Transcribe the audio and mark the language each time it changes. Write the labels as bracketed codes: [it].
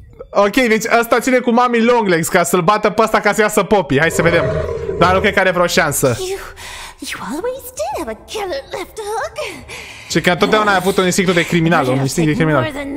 [ro] Ok, deci ăsta ține cu mami Longlegs ca să-l bată pe ăsta ca să iasă Poppy. Hai să vedem. Dar nu cred că are vreo șansă. [en] You always did have a killer left hook. [ro] Ce că întotdeauna ai avut un instinct de criminal, un instinct de criminal.